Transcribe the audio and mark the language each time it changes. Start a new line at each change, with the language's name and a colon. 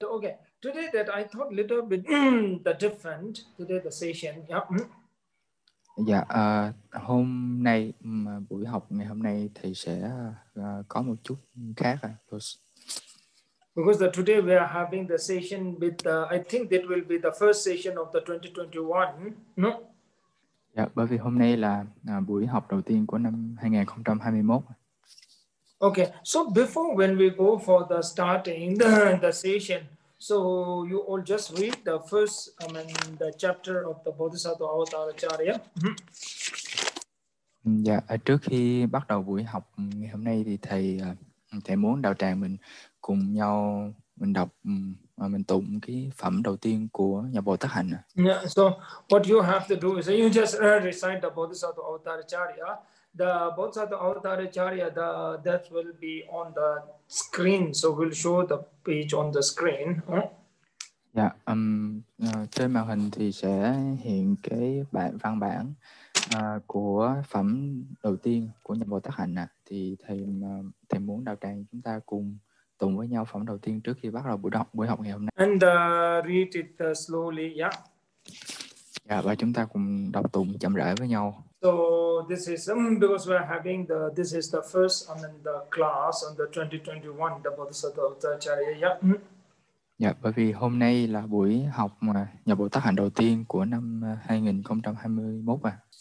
English: Okay, today that I thought a little bit the different today the session.
Vietnamese: Dạ, hôm nay buổi học ngày hôm nay thì sẽ có một chút khác à.
English: Because today we are having the session with I think that will be the first session of the 2021. No.
Vietnamese: Dạ, bởi vì hôm nay là buổi học đầu tiên của năm 2021.
English: Okay, so before when we go for the starting the session, so you all just read the first, the chapter of the Bodhisattva Avatara.
Vietnamese: Dạ, trước khi bắt đầu buổi học ngày hôm nay thì thầy muốn đạo tràng mình cùng nhau mình đọc và mình tụng cái phẩm đầu tiên của nhà Bồ Tát Hạnh.
English: So what you have to do is you just recite the Bodhisattva Avatara. The Bodhisattva Avataracharya, that will be on the screen. So we'll show the page on the screen.
Vietnamese: Dạ, trên màn hình thì sẽ hiện cái bản văn bản của phẩm đầu tiên của nhà Bồ Tát Hạnh à. Thì thầy muốn đạo tràng chúng ta cùng tụng với nhau phẩm đầu tiên trước khi bắt đầu buổi học ngày hôm nay.
English: And read it slowly.
Vietnamese: Dạ, và chúng ta cùng đọc tụng chậm rãi với nhau.
English: So this is because we are having the this is the first the class on the 2021 the Bodhisattva.
Vietnamese: Dạ, bởi vì hôm nay là buổi học mà nhà Bồ Tát Hạnh đầu tiên của năm 2021 à.